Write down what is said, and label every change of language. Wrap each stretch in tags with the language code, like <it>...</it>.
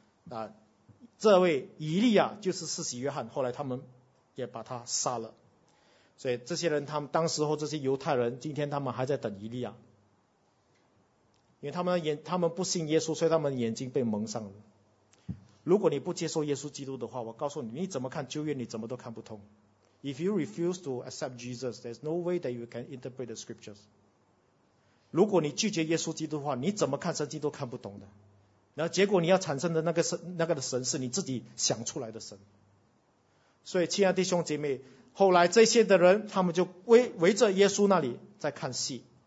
<zh>啊，这位以利亚就是施洗约翰，后来他们也把他杀了。所以这些人，他们当时候这些犹太人，今天他们还在等以利亚，因为他们不信耶稣，所以他们眼睛被蒙上了。如果你不接受耶稣基督的话，我告诉你，你怎么看旧约，你怎么都看不通。</zh> <en>If you refuse to accept Jesus, there's no way that you can interpret the scriptures.</en> <zh>如果你拒绝耶稣基督的话，你怎么看圣经都看不懂的。然后结果你要产生的那个的神是你自己想出来的神。所以亲爱的弟兄姐妹，后来这些的人他们就围着耶稣那里在看戏。</zh>